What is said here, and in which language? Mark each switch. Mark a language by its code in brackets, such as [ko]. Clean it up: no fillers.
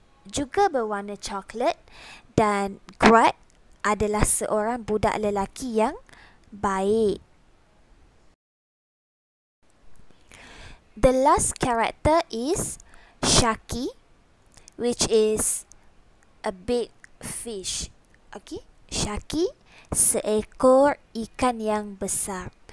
[id] juga berwarna coklat dan Greg adalah seorang budak lelaki yang baik. [en] The last character is Sharky, which is a big fish. [id] Okay, Sharky, seekor ikan yang besar.